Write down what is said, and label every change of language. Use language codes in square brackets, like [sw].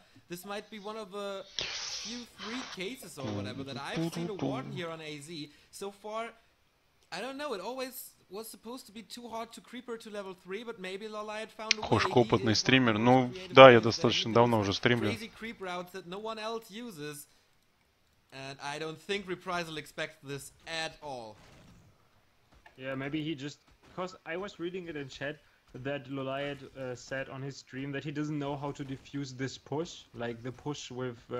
[en] This might be one of a few free cases or whatever that I've seen a warden here on AZ. So far, I don't know, it always was supposed to be too hard to creeper to level 3, but maybe Lolai had found a way. [ru] Кошка, опытный стример. Ну, да, я достаточно давно уже стримлю. [en] Crazy creep routes that no one else uses. And I don't think Reprisal expects this at all. Yeah, maybe he just... Because I was reading it in chat. That Loliad said on his stream that he doesn't know how to defuse this push, like the push with